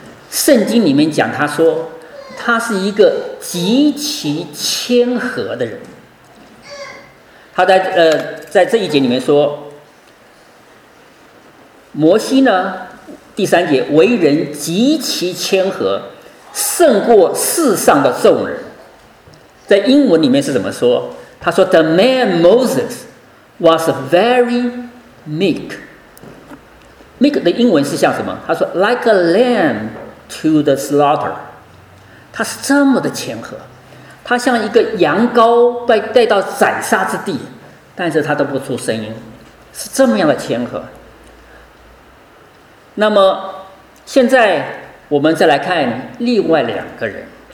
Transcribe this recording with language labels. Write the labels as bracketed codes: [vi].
[zh] 圣经里面讲他说，他是一个极其谦和的人。他在这一节里面说，摩西呢，第三节，为人极其谦和，胜过世上的众人。在英文里面是怎么说？他说 [en] The man Moses was very meek. Meek [zh] 的英文是像什么？他说 [en] Like a lamb to the slaughter. [zh] 他是这么的谦和，他像一个羊羔被带到宰杀之地，但是他都不出声音，是这么样的谦和。那么现在我们再来看另外两个人。